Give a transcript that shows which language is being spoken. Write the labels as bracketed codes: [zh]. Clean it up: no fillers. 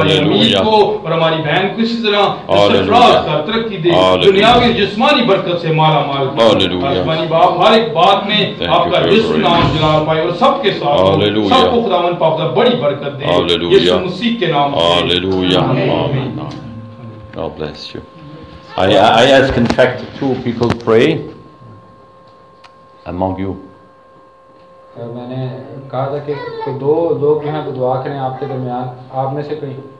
[hi] Hallelujah, को और हमारी बहन को इसी तरह सरफराज कर, तरक्की दे, दुनियावी जिस्मानी बरकत से माला माल कर। हालेलुया, आसमानी बाप हर एक बात में आपका जिस्म नाम जलाल पाए और सबके साथ, हालेलुया, सबको खुदावंद पापदा बड़ी बरकत दे यीशु मसीह के नाम। हालेलुया, आमीन। [en] God bless you. I ask, in fact, two people pray among you. [hi] मैंने कहा था कि दो लोग यहाँ पे दुआ करें आपके दरमियान, आप में से कोई।